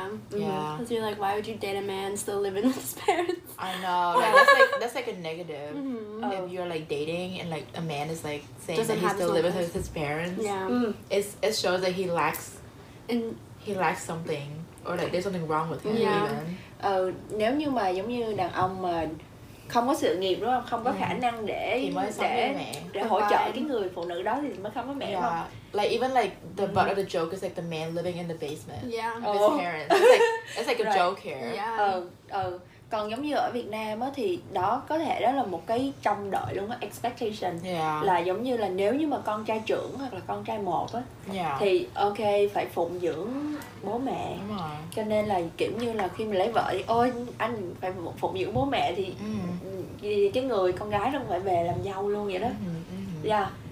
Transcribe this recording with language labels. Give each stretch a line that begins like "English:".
English: Because you're like, why would you date a man still living with his parents? I know, like, that's like a negative. If you're like dating and like a man is like saying doesn't that he still living with his parents, it shows that he lacks something, or like there's something wrong with him.
Vietnamese: Nếu như mà giống như đàn ông mà không có sự nghiệp đúng không, không có khả năng để hỗ trợ cái người phụ nữ đó thì mới không có mẹ đúng không?
English: Like even like the butt of the joke is like the man living in the basement. Yeah. With his parents. It's like a right. joke here. Yeah.
Vietnamese: Còn giống như ở Việt Nam á thì đó có thể đó là một cái trông đợi luôn á, expectation.
English: Yeah.
Vietnamese: Là giống như là nếu như mà con trai trưởng hoặc là con trai một á,
English: yeah.
Vietnamese: thì ok phải phụng dưỡng bố mẹ. Đúng rồi. Cho nên là kiểu như là khi mình lấy vợ thì ôi anh phải phụng dưỡng bố mẹ thì cái người con gái đâu phải về làm dâu luôn vậy đó.